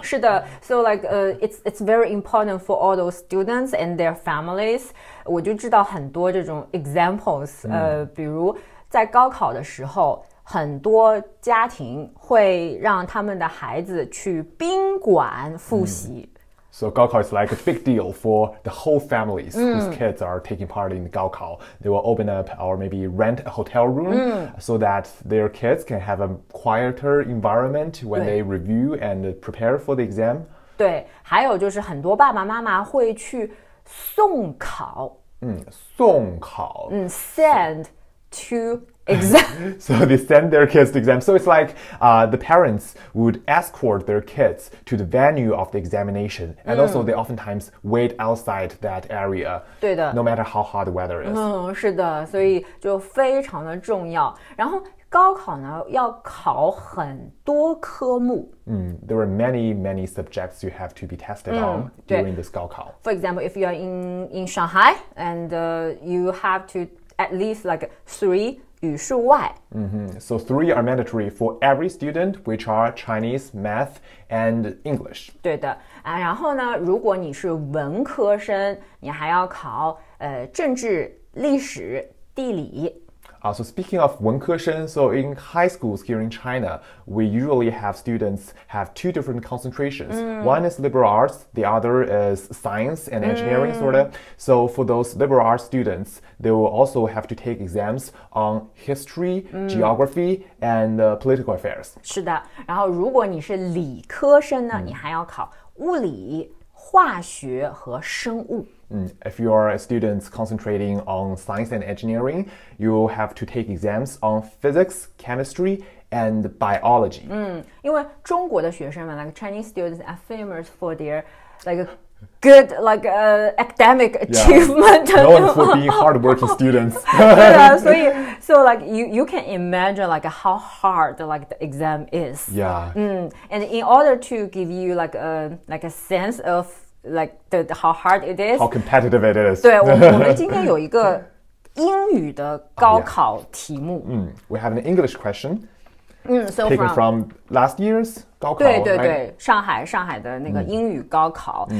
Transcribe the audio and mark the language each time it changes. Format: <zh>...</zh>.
<zh>是的</zh> <en>so like it's very important for all those students and their families</en> <zh>我就知道很多这种 examples 比如在高考的时候很多家庭会让他们的孩子去宾馆复习、</zh> <en>So 高考 is like a big deal for the whole families whose kids are taking part in 高考 They will open up or maybe rent a hotel room so that their kids can have a quieter environment when they review and prepare for the exam.</en> <zh>对，还有就是很多爸爸妈妈会去送考。送考。</zh> <en>Send to exam. So they send their kids to exam. So it's like the parents would escort their kids to the venue of the examination. And also they oftentimes wait outside that area.</en> <zh>对的。</zh> <en>No matter how hot the weather is.</en> <zh>是的。所以就非常的重要。然后高考呢要考很多科目。</zh> <en>There are many, many subjects you have to be tested on during this 高考。 For example, if you are in Shanghai and you have to at least like three, So three are mandatory for every student, which are Chinese, math, and English.</en> <zh>对的、啊、然后呢如果你是文科生你还要考、政治、历史、地理。</zh> <en>So speaking of 文科生 so in high schools here in China, we usually have students have two different concentrations. One is liberal arts, the other is science and engineering, sort of. So for those liberal arts students, they will also have to take exams on history, geography, and political affairs.</en> <zh>是的，然后如果你是理科生呢，你还要考物理、化学和生物。</zh> <en>If you are a student concentrating on science and engineering, you have to take exams on physics, chemistry, and biology.</en> <zh>因为中国的学生们</zh> <en>like Chinese students are famous for their like good like academic achievement. Yeah. Known for being hardworking students.</en> <zh>对啊，所以</zh> <en>so like you can imagine like how hard like the exam is. Yeah. And in order to give you like a sense of Like the how hard it is, how competitive it is.</en> <zh>对，我们今天有一个英语的高考题目。</zh> <en>We have an English question. So taken from last year's 高考。</en> <zh>对对对，上海的那个英语高考。</zh>